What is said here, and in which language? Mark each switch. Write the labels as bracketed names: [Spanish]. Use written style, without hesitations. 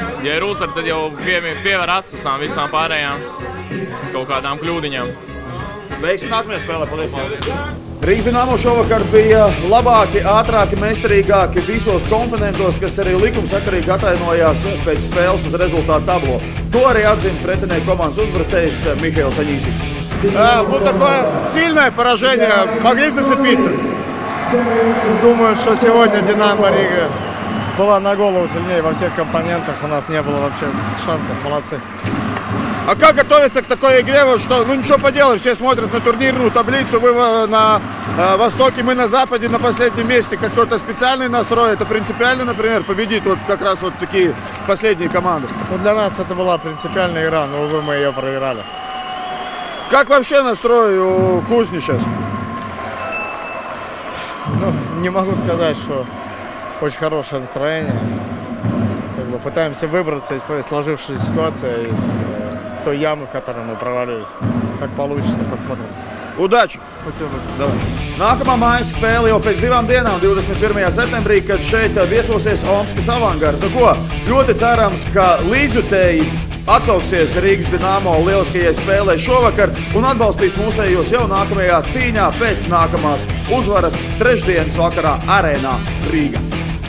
[Latvian] Ja ir uzvara, tad jau pievēr acis uz tām visām pārējām kaut kādām kļūdiņām. Veiksim nākamajā spēlē, paldies! Rīgas Dinamo šovakar bija labāki, ātrāki, meistarīgāki visos komponentos, kas arī likumsakarīgi atainojās pēc spēles uz rezultātu tablo. To arī atzina pretinieku komandas uzbrucējs Mihails Aņīsīks. [Russian] Nu, такое сильное поражение. Могли зацепиться? Думаю, что сегодня Динамо Рига была на голову сильнее во всех компонентах. У нас не было вообще шансов. Молодцы. А как готовиться к такой игре? Что, ну ничего поделать, все смотрят на турнирную таблицу, вы на Востоке, мы на Западе, на последнем месте. Какой-то специальный настрой, это принципиально, например, победить вот как раз вот такие последние команды? Ну, для нас это была принципиальная игра, но, увы, мы ее проиграли. Как вообще настрой у Кузни сейчас? Ну, не могу сказать, что очень хорошее настроение. Как бы пытаемся выбраться из сложившейся ситуации, из той ямы, в которой мы провалились. Как получится, посмотрим. Удачи! Спасибо. Давай. [Latvian] Nākamā mājas spēle jau pēc divām dienām, 21. septembrī, kad šeit viesosies Omskas Avangard. Nu ko, ļoti cerams, ka līdzjutēji atsauksies Rīgas Dinamo lieliskajai spēlē šovakar un atbalstīs mūsējos jau nākamajā cīņā pēc nākamās uzvaras trešdienas vakarā arēnā Rīga.